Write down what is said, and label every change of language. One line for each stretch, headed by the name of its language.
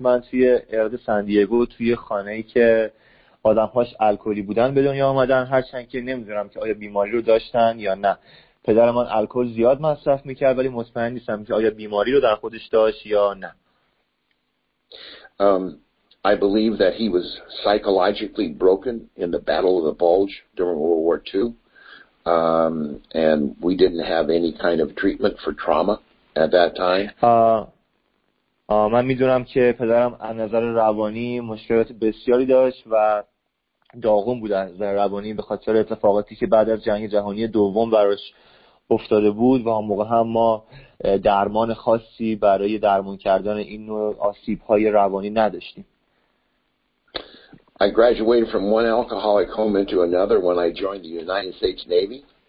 Persian: من توی ایالت سان دیگو توی خانه‌ای که آدم‌هاش الکلی بودن به دنیا آمدن، هرچند که نمی‌دونم که آیا بیماری رو داشتن یا نه. پدر من الکل زیاد مصرف می‌کرد ولی مطمئن نیستم که آیا بیماری رو در خودش داشت یا نه.
English: I believe that he was psychologically broken in the Battle of the Bulge during World War II. And we didn't have any kind of treatment for trauma. At that time,
Persian: من میدونم که پدرم از نظر روانی مشکلات بسیاری داشت و داغون بود از روانی به خاطر اتفاقاتی که بعد از جنگ جهانی دوم براش افتاده بود و موقع هم ما درمان خاصی برای درمان کردن این نوع آسیب‌های روانی نداشتیم.
English: I graduated from one alcoholic home into another when I joined the United States Navy.